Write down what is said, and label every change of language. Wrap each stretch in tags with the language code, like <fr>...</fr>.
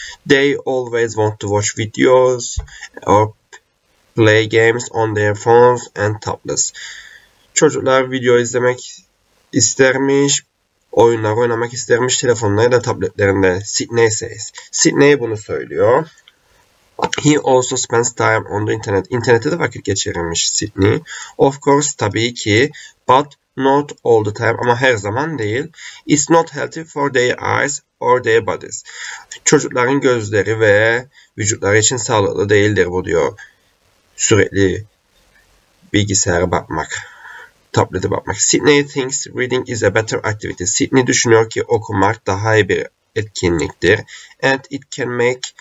<en>They always want to watch videos or play games on their phones and tablets.</en> <tr>Çocuklar video izlemek istermiş, oyunlar oynamak istermiş telefonlarında ya da tabletlerinde.</tr> <en>Sydney says.</en> <tr>Sydney bunu söylüyor.</tr> <en>He also spends time on the internet.</en> <tr>İnternette de vakit geçirirmiş Sydney.</tr> <en>Of course,</en> <tr>tabii ki.</tr> <en>But not all the time,</en> <tr>ama her zaman değil.</tr> <en>It's not healthy for their eyes or their bodies.</en> <tr>Çocukların gözleri ve vücutları için sağlıklı değildir bu diyor. Sürekli bilgisayara bakmak, tablete bakmak.</tr> <en>Sydney thinks reading is a better activity.</en> <tr>Sydney düşünüyor ki okumak daha iyi bir etkinliktir.</tr> <en>And it can make</en>